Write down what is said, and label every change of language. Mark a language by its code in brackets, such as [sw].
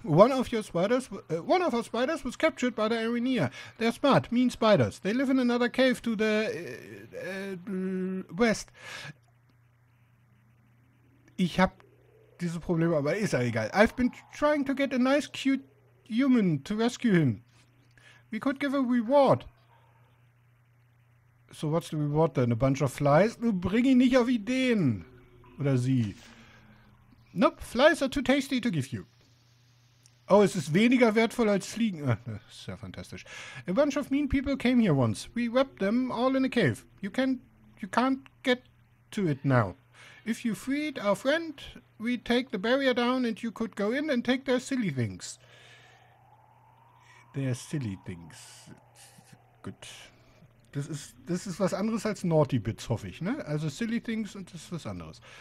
[en] One of our spiders was captured by the Aranea. They're smart, mean spiders. They live in another cave to the west. [de] Ich habe diese Probleme, aber ist ja egal. [en] I've been trying to get a nice, cute human to rescue him. We could give a reward. So what's the reward then? A bunch of flies? [de] Du bring ihn nicht auf Ideen. Oder sie. [en] Nope, flies are too tasty to give you. [de] Oh, es ist weniger wertvoll als Fliegen. Ah, das ist ja fantastisch. [en] A bunch of mean people came here once. We wrapped them all in a cave. You can't get to it now. If you freed our friend, we'd take the barrier down and you could go in and take their silly things. Their silly things. Gut. [de] Das ist was anderes als Naughty Bits, hoffe ich, ne? Also silly things und das ist was anderes.